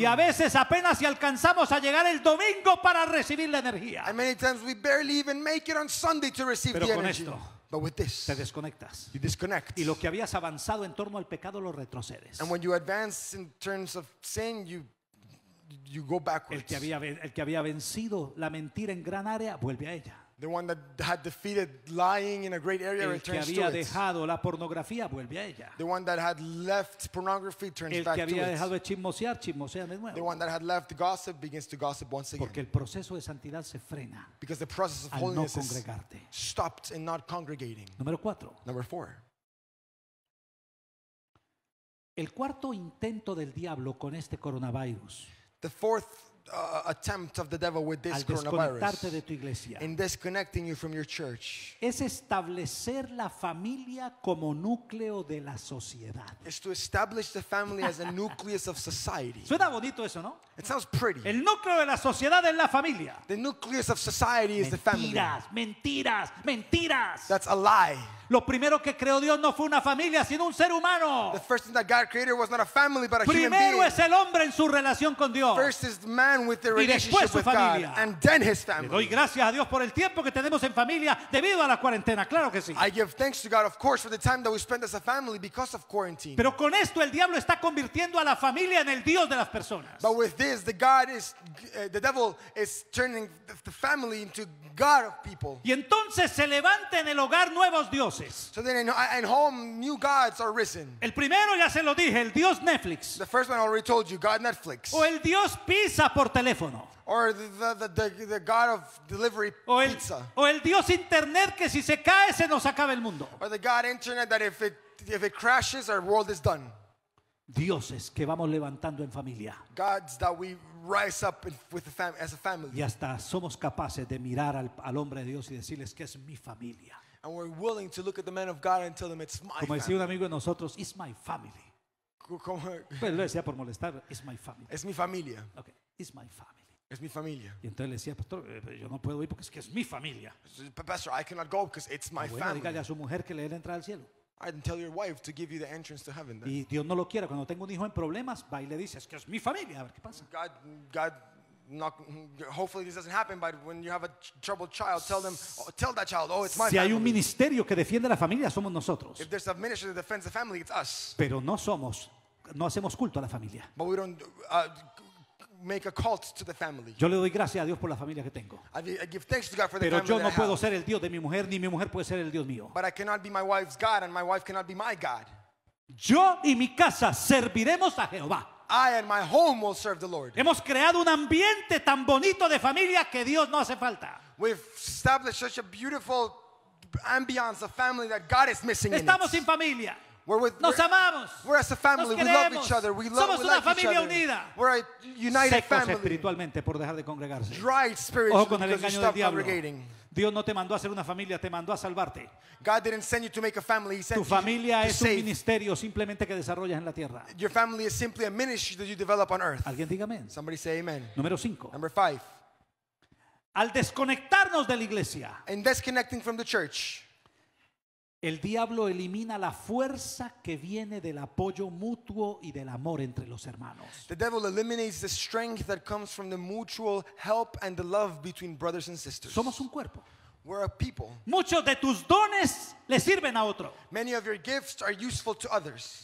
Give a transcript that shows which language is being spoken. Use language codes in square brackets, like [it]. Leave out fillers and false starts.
[es] Y a veces apenas si alcanzamos a llegar el domingo para recibir la energía. [en] And many times we barely even make it on Sunday to receive [es] Pero [en] the [es] con [en] energy. [es] Esto, [en] But with this, [es] te desconectas. [en] You disconnect. [es] Y lo que habías avanzado en torno al pecado lo retrocedes. [en] And when you advance in terms of sin, you go backwards. [es] El que había vencido la mentira en gran área vuelve a ella. [en] The one that had defeated lying in a great area returns to it. [es] El que había dejado la pornografía vuelve a ella. [en] The one that had left pornography turns back to it. [es] El que había dejado de chismosear, chismosea de nuevo. [en] The one that had left gossip begins to gossip once again. [es] Porque el proceso de santidad se frena. [en] Because the process of holiness [es] no congregarte. [en] Is stopped in not congregating. [es] Número cuatro. [en] Number four. [es] El cuarto intento del diablo con este coronavirus. [en] The fourth attempt of the devil with this coronavirus [es] de tu iglesia, [en] in disconnecting you from your church [es] es establecer la familia como núcleo de la sociedad. [en] Is to establish the family as a nucleus of society. [es] Suena bonito eso, ¿no? [en] It sounds pretty. [es] El núcleo de la sociedad es la familia. [en] The nucleus of society [es] mentiras, [en] is the family. [es] Mentiras, mentiras, mentiras. [en] That's a lie. [es] Lo primero que creó Dios no fue una familia, sino un ser humano. [en] The first thing that God created was not a family, but a [es] Primero [en] human being. [es] Primero es el hombre en su relación con Dios. [en] First is the man with the relationship [es] y después su familia. [en] With God, and then his family. [es] Le doy gracias a Dios por el tiempo que tenemos en familia debido a la cuarentena. Claro que sí. [en] I give thanks to God, of course, for the time that we spend as a family because of quarantine. [es] Pero con esto el diablo está convirtiendo a la familia en el dios de las personas. [en] But with this, the devil is turning the family into God of people. [es] Y entonces se levanta en el hogar nuevos dioses. [en] So then in home, new gods are risen. [es] El primero ya se lo dije, el dios Netflix. [en] The first one I already told you, God Netflix. [es] O el dios pizza por teléfono. [en] Or the god of delivery pizza. [es] O el dios internet que si se cae se nos acaba el mundo. [en] Or the god internet that if it crashes our world is done. [es] Dioses que vamos levantando en familia. [en] Gods that we rise up with as a family. [es] Y hasta somos capaces de mirar al hombre de Dios y decirles que es mi familia. [en] And we're willing to look at the man of God and tell him it's my family. [es] Como decía un amigo de nosotros, [en] it's my family. [es] Pero decía por molestar, [en] it's my family. [es] Es mi familia. [en] Okay, it's my family. [es] Es mi familia. Y entonces le decía, pastor, yo no puedo ir porque es que es mi familia. [en] Pastor, I cannot go because it's my family. [es] Bueno, dígale a su mujer que le dé la entrada al cielo. [en] I didn't tell your wife to give you the entrance to heaven. [es] Y Dios no lo quiera cuando tengo un hijo en problemas, va y le dice, es que es mi familia, a ver qué pasa. [en] God. Not, hopefully this doesn't happen, but when you have a troubled child, tell that child, oh, it's my family. [es] Si hay un ministerio que defiende la familia, somos nosotros. [en] If there's a ministry that defends the family, it's us. [es] Pero no hacemos culto a la familia. [en] But we don't make a cult to the family. [es] Yo le doy gracias a Dios por la familia que tengo. [en] I give thanks to God for the [es] Pero [en] family [es] yo no [en] I [es] puedo [en] have. [es] Ser el Dios de mi mujer, ni mi mujer puede ser el Dios mío. [en] But I cannot be my wife's God, and my wife cannot be my God. [es] Yo y mi casa serviremos a Jehová. [en] I and my home will serve the Lord. [es] Hemos creado un ambiente tan bonito de familia que Dios no hace falta. [en] We've established such a beautiful ambiance of family that God is missing in it. [es] Estamos sin familia. Nos amamos. [en] We're as a family. We love each other. [es] Somos una familia unida. [en] We're a united family. [es] Secos espiritualmente por dejar de congregarse. [en] Dry spiritually because you stopped congregating. [es] Dios no te mandó a ser una familia, te mandó a salvarte. [en] God didn't send you to make a family, he sent [es] tu familia [en] you [es] es [en] to [es] un [en] save. [es] Ministerio simplemente que desarrollas en la tierra. [en] Your family is simply a ministry that you develop on earth. [es] Alguien diga amén. [en] Somebody say amen. [es] Número 5. [en] Number 5. [es] Al desconectarnos de la iglesia. [en] In disconnecting from the church. [es] El diablo elimina la fuerza que viene del apoyo mutuo y del amor entre los hermanos. [en] The devil eliminates the strength that comes from the mutual help and the love between brothers and sisters. [es] Somos un cuerpo. [en] We're a people. [es] Muchos de tus dones le sirven a otro. [en] Many of your gifts are useful to others.